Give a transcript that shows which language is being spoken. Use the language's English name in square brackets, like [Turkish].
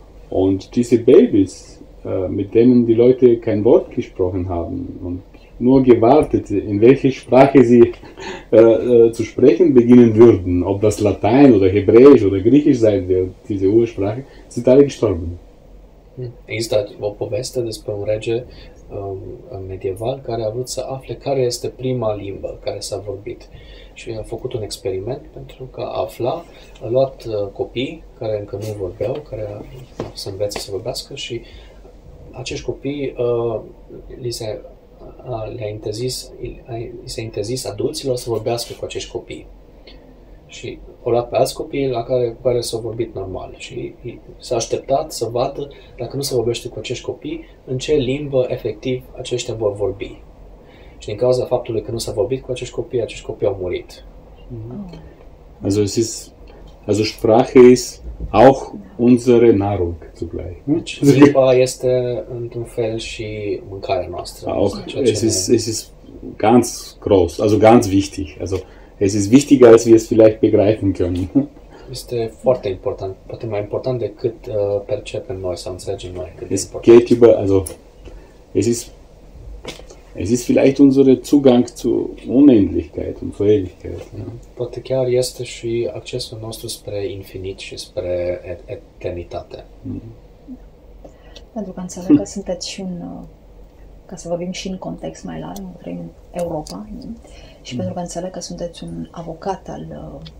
[German] Und diese Babys, mit denen die Leute kein Wort gesprochen haben und nur gewartet, in welche Sprache sie zu sprechen beginnen würden, ob das Latein oder Hebräisch oder Griechisch sein wird, diese Ursprache, sind alle gestorben. [Romanian] Este o poveste despre un rege medieval care a vrut să afle care este prima limbă care s-a vorbit. Și a făcut un experiment pentru că a luat copii care încă nu vorbeau, care să învețe să vorbească, și acești copii li s-a interzis adulților să vorbească cu acești copii. Și au luat pe alți copii la care, cu care s-au vorbit normal și s-a așteptat să vadă, dacă nu se vorbește cu acești copii, în ce limbă efectiv aceștia vor vorbi. Și din cauza faptului că nu s-a vorbit cu acești copii au murit. Mm-hmm. [German] Also Sprache ist auch unsere Nahrung zugleich. [Romanian] Deci limba este într-un fel și mâncarea noastră. [German] Auch, es ist ganz groß, also ganz wichtig. Also, es ist wichtiger, als wir es vielleicht begreifen können. [Romanian] Este foarte important, poate mai important decât percepem noi sau înțelegem noi. [German] Es geht über, also es ist vielleicht unser Zugang zu Unendlichkeit und zur Ewigkeit. [Romanian] Poate chiar este și accesul nostru spre infinit și spre eternitate. Pentru că înțeleg că sunteți și un, ca să vorbim și în context mai larg, în Europa, și pentru că înțeleg că sunteți un avocat al